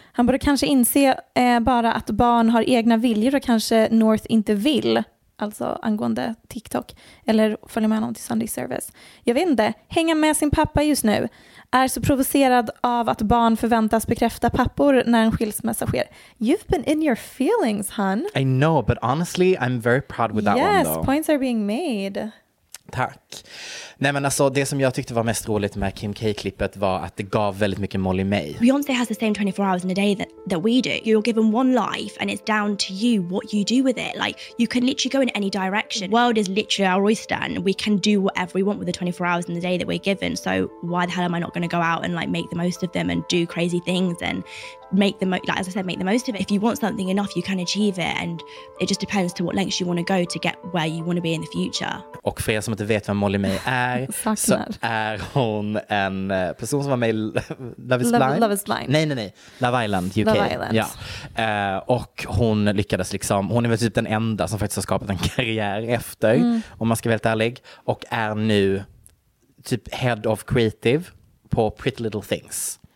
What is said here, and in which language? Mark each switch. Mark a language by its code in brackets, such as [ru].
[sv] Han borde kanske inse bara att barn har egna viljor och kanske North inte vill. Alltså angående TikTok. Eller följa med honom till Sunday Service. Jag vet inte. Hänga med sin pappa just nu. Är så provocerad av att barn förväntas bekräfta pappor när en skilsmässa sker. [en] You've been in your feelings, hon. I know, but honestly, I'm very proud with that yes, one though. Yes, points are being made. [sv] Tack. Nej, men alltså, det som jag tyckte var mest roligt med Kim K-klippet var att det gav väldigt mycket Molly May. [en] Beyoncé has the same 24 hours in a day that we do. You're given one life and it's down to you what you do with it. Like, you can literally go in any direction. The world is literally our oyster and we can do whatever we want with the 24 hours in the day that we're given. So why the hell am I not going to go out and like make the most of them and do crazy things and make the most of it. If you want something enough you can achieve it and it just depends to what lengths you want to go to get where you want to be in the future. [sv] Och för er som inte vet vem Molly May är så är hon en person som var med i Love is Blind. Nej. Love Island UK. Love Island. Ja. Och hon lyckades liksom, hon är väl typ den enda som faktiskt har skapat en karriär efter om man ska vara helt ärlig och är nu typ [en] head of creative [sv] på Pretty Little Things.